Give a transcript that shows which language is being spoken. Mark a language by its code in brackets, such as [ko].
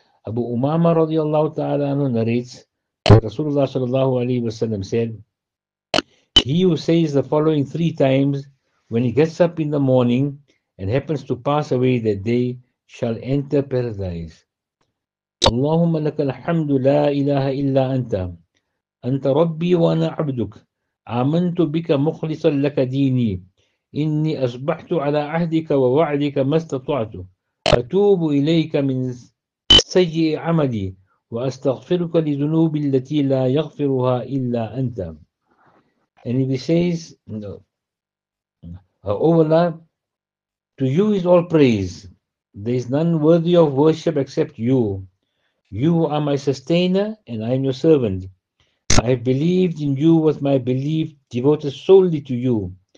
[en] Abu Umama [ar] radiallahu ta'ala anhu [en] narrates that Rasulullah [ar] sallallahu alayhi wa sallam [en] said, he who says the following three times when he gets up in the morning and happens to pass away that day shall enter paradise. [ar] Allahumma lakal hamdu la ilaha illa anta, أنت ربي وأنا عبدك، آمنت بك مخلصا لك ديني، إني أصبحت على عهدك ووعدك ما استطعت، أتوب إليك من سيء عملي وأستغفرك لذنوبي التي لا يغفرها إلا أنت. [en] And if he says, O Allah, to you is all praise. There is none worthy of worship except you. You are my sustainer and I am your servant. I have believed in you with my belief devoted solely to you.